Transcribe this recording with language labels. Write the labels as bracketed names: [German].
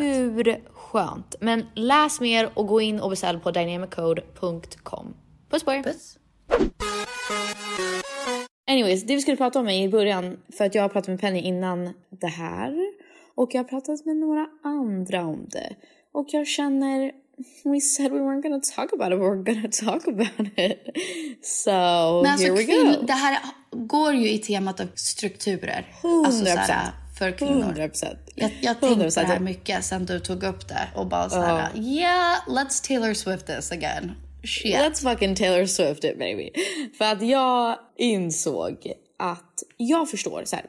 [Swedish] Hur skönt. Men läs mer och gå in och beställ på dynamiccode.com. Puss på er. Puss. Anyways, det vi skulle prata om i början, för att jag har pratat med Penny innan det här. Och jag har pratat med några andra om det. Och jag känner, [English] we said we weren't gonna talk about it, but we're gonna talk about it. So, [Swedish] men alltså, [English] here we go. [Swedish] Det här går ju i temat av strukturer. 100%. Alltså, såhär, för kvinnor. 100%. Jag tänkte 100%. Det här mycket sen du tog upp det. Och bara såhär, [English] yeah, let's Taylor Swift this again. Shit. Let's fucking Taylor Swift it, baby. [Swedish] För att jag insåg att jag förstår så här.